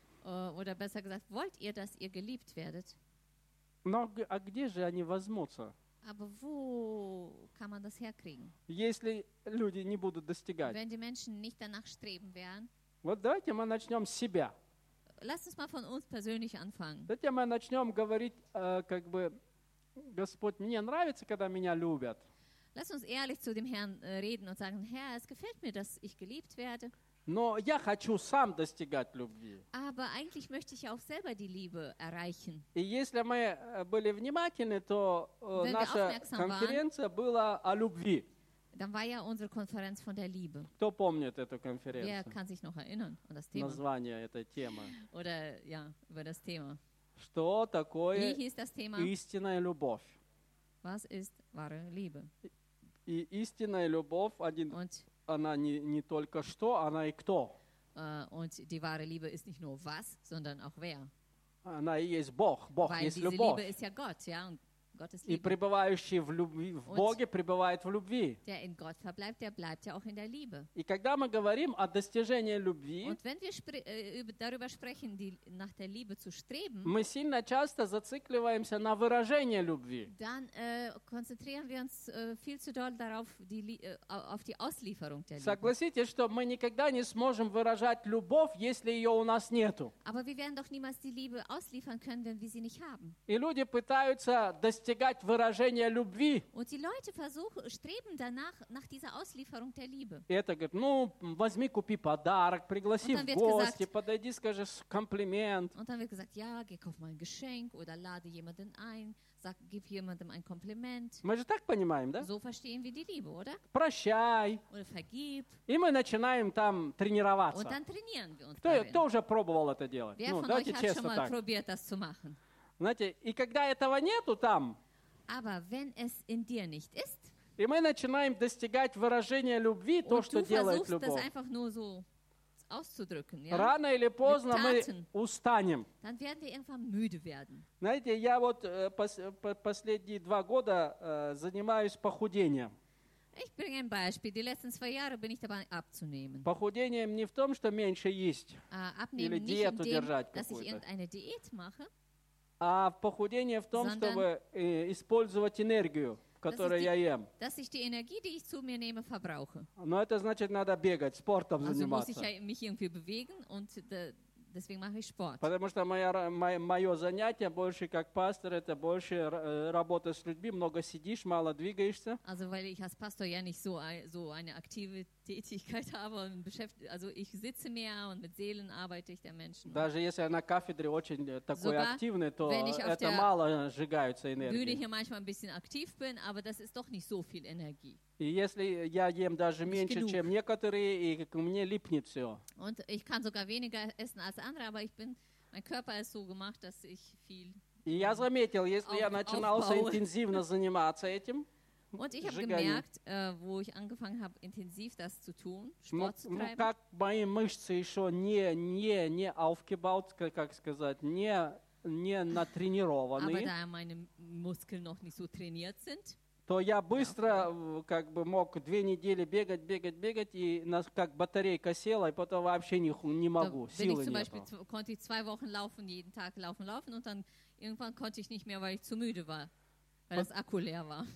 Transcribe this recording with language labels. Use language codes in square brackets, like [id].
[de] Oder besser gesagt, wollt ihr, dass ihr geliebt werdet? [ru] Но, а где же они возьмутся? [de] Aber wo kann man das herkriegen? [ru] Если люди не будут достигать. [de] Wenn die Menschen nicht danach streben werden. [ru] Вот давайте мы начнем с себя. [de] Lass uns mal von uns persönlich anfangen. [ru] Давайте мы начнем говорить, как бы, Господь, мне нравится, когда меня любят. [de] Lass uns ehrlich zu dem Herrn reden und sagen, Herr, es gefällt mir, dass ich geliebt werde. [ru] Но я хочу сам достигать любви. [de] Aber eigentlich möchte ich auch selber die Liebe erreichen. [ru] И если мы были внимательны, то наша конференция была о любви. [de] Dann war ja unsere Konferenz von der Liebe. [ru] Кто помнит эту конференцию? [de] Wer kann sich noch erinnern an das Thema? [ru] Название этой темы. [de] Oder ja, über das Thema. [ru] Что такое [de] Wie hieß das Thema? [ru] Истинная любовь? [de] Was ist wahre Liebe? [ru] И истинная любовь, она не только что, она и кто. [de] Und die wahre Liebe ist nicht nur was, sondern auch wer. [ru] Она и есть Бог. Бог [de] Weil [ru] есть любовь. [de] Weil diese Liebe ist ja Gott, ja? Und [ru] И пребывающий в любви, в Боге пребывает в любви. [de] Der in Gott verbleibt, der bleibt ja auch in der Liebe. [ru] И когда мы говорим о достижении любви, [de] und wenn wir darüber sprechen, die nach der Liebe zu streben, [ru] мы сильно часто зацикливаемся на выражении любви. [de] Dann konzentrieren wir uns viel zu doll darauf, auf die Auslieferung der Liebe. [ru] Согласитесь, что мы никогда не сможем выражать любовь, если ее у нас нету. [de] Aber wir werden doch niemals die Liebe ausliefern können, wenn wir sie nicht haben. [ru] И люди пытаются достигать достигать выражения любви. [de] Und die Leute versuchen, streben danach nach dieser Auslieferung der Liebe. [ru] Это говорит, ну возьми, купи подарок, пригласи в гости, [de] gesagt, [ru] подойди, скажи комплимент. [de] Und dann wird gesagt, ja, geh, kauf mal ein Geschenk oder lade jemanden ein, sag, gib jemandem ein Kompliment. [ru] Мы же так понимаем, да? [de] So verstehen wir die Liebe, oder? [ru] Прощай. [de] Oder vergib. [ru] И мы начинаем там тренироваться. [de] Und dann trainieren wir uns. [ru] Кто уже пробовал это делать? [de] Wer [ru] ну, [de] von [ru] давайте [de] euch [ru] честно [de] hat schon mal Probiert, das zu machen? [ru] Знаете, и когда этого нету там, [de] aber wenn es in dir nicht ist, [ru] и мы начинаем достигать выражения любви, то, что делает любовь, [de] das nur so ja? [ru] Рано или поздно мы устанем. [de] Dann werden wir irgendwann müde werden. [ru] Знаете, я вот последние два года занимаюсь похудением. [de] Ich bringe ein Beispiel. Die letzten zwei Jahre bin ich dabei abzunehmen. [ru] Похудением не в том, что меньше есть, [de] abnehmen [ru] или диету держать какую-то, [de] dass ich irgendeine Diät mache, [ru] а в похудении в том, чтобы использовать энергию, которую я ем. [de] Dass ich die Energie, die ich zu mir nehme, verbrauche. [ru] Но это значит, надо бегать, спортом [de] also [ru] заниматься. [de] Also muss ich mich irgendwie bewegen und deswegen mache ich Sport. [ru] Потому что мое занятие больше как пастор, это больше работа с людьми, много сидишь, мало двигаешься. [de] Also weil ich als Pastor ja nicht so eine aktive Tätigkeit habe, und also ich sitze mehr und mit Seelen arbeite ich der Menschen. [ru] Даже если я на кафедре очень такой активный, то это мало сжигаются энергии. [de] Wenn ich hier manchmal ein bisschen aktiv bin, aber das ist doch nicht so viel Energie. [ru] И если я ем даже меньше, чем некоторые, и мне липнет все. [de] Und ich kann sogar weniger essen als andere, aber ich bin, mein Körper ist so gemacht, dass ich viel. [ru] И я заметил, если я начинал интенсивно заниматься этим. [de] Und ich habe gemerkt, wo ich angefangen habe, intensiv das zu tun, Sport zu treiben. [ru] Как мои мышцы еще не [de] aufgebaut, [ru] как сказать, не натренированные. [de] Aber da meine Muskeln noch nicht so trainiert sind. [ru] То я быстро как бы мог две недели бегать, и нас как батарейка села, и потом вообще не могу, силы нету. [de] Ich konnte zwei Wochen laufen, jeden Tag laufen, und dann irgendwann konnte ich nicht mehr, weil ich zu müde war, weil das Akku leer war.